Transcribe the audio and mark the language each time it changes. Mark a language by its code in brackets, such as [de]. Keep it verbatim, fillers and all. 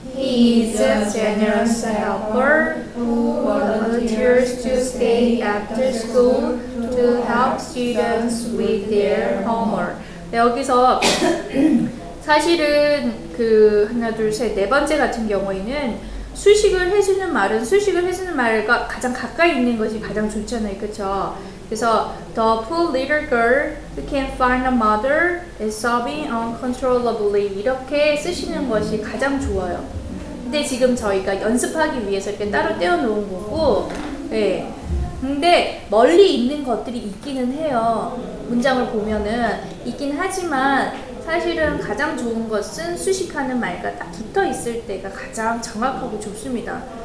[en] He is a generous helper who volunteers to stay after school to help students with their homework. [ko] 네, 여기서 사실은 그 하나, 둘, 셋, 네 번째 같은 경우에는 수식을 해주는 말은 수식을 해주는 말과 가장 가까이 있는 것이 가장 좋잖아요. 그쵸? 그래서 [en] The poor little girl who can't find a mother is sobbing uncontrollably [ko] 이렇게 쓰시는 것이 가장 좋아요. 근데 지금 저희가 연습하기 위해서 이렇게 따로 떼어놓은 거고, 예. 근데 멀리 있는 것들이 있기는 해요. 문장을 보면은 있긴 하지만 사실은 가장 좋은 것은 수식하는 말과 딱 붙어 있을 때가 가장 정확하고 좋습니다.